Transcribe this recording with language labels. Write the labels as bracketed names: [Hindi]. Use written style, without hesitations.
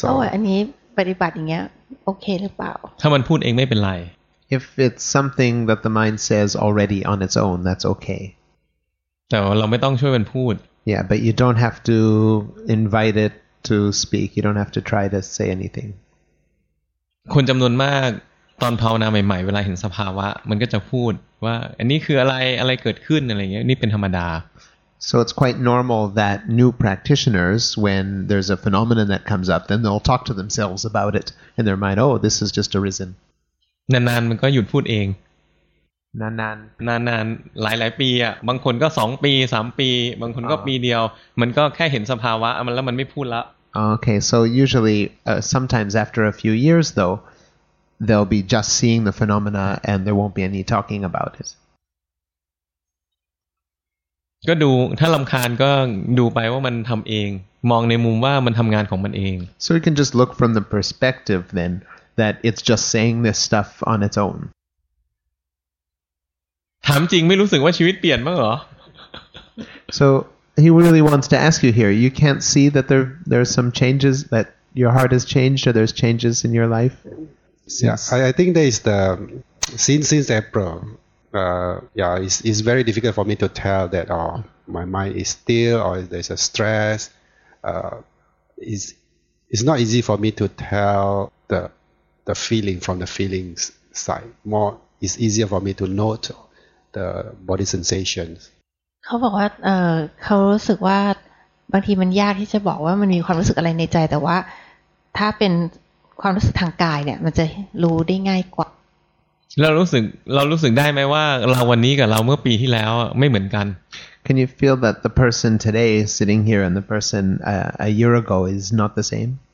[Thai] Oh, อันนี้ปฏิบัติอย่างเงี้ยโอเคหรือเปล่า ถ้ามันพูดเองไม่เป็นไร [English] If it's something that the mind says already on its own, that's okay. [Thai] แต่เราไม่ต้องช่วยมันพูด [English] Yeah, but you don't have to invite it to speak. You don't have to try to say anything. [Thai] คนจำนวนมากตอนภาวนาใหม่ๆเวลาเห็นสภาวะมันก็จะพูดว่าอันนี้คืออะไรอะไรเกิดขึ้นอะไรเงี้ยนี่เป็นธรรมดา [English] So it's quite normal that new practitioners, when there's a phenomenon that comes up, then they'll talk to themselves about it in their mind. Oh, this has just arisen. [Thai] นานๆมันก็หยุดพูดเอง นาน ๆนานๆหลายๆปีอ่ะบางคนก็สองปีสามปีบางคนก็ปีเดียวมันก็แค่เห็นสภาวะมันแล้วมันไม่พูดละ [English] Okay, so usually, sometimes after a few years, though, they'll be just seeing the phenomena, and there won't be any talking about it. [Thai] ก็ดูถ้าลำคาญก็ดูไปว่ามันทำเองมองในมุมว่ามันทำงานของมันเอง [English] So you can just look from the perspective then that it's just saying this stuff on its own [Thai] ถามจริงไม่รู้สึกว่าชีวิตเปลี่ยนบ้างเหร [English] อ So he really wants to ask you here you can't see that there's some changes that your heart has changed or there's changes in your life Yeah, I think there is the since AprilIt's very difficult for me to tell that my mind is still or there's a stress. It's not easy for me to tell the feeling from the feelings side. More, it's easier for me to note the body sensations. [Thai] เขาบอกว่าเขารู้สึกว่าบางทีมันยากที่จะบอกว่ามันมีความรู้สึกอะไรในใจแต่ว่าถ้าเป็นความรู้สึกทางกายเนี่ยมันจะรู้ได้ง่ายกว่า เรารู้สึกได้ไหมว่าเราวันนี้กับเราเมื่อปีที่แล้วไม่เหมือนกัน [English] Can you feel that the person today sitting here and the person a year ago is not the same?